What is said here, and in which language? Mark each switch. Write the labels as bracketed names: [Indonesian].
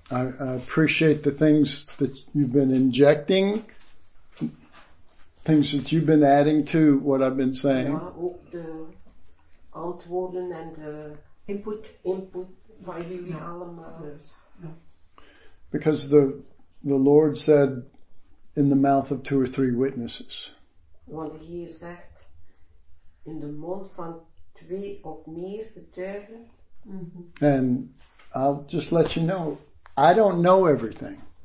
[English] I appreciate the things that you've been injecting, things that you've been adding to what I've been saying. [Dutch] Ja, ook de antwoorden en de input van jullie allemaal. [English] Because the Lord said in the mouth of two or three witnesses. [Dutch] Want hier zegt, in de mond van twee of meer getuigen. Mm-hmm. [English] And I'll just let you know, I don't know everything.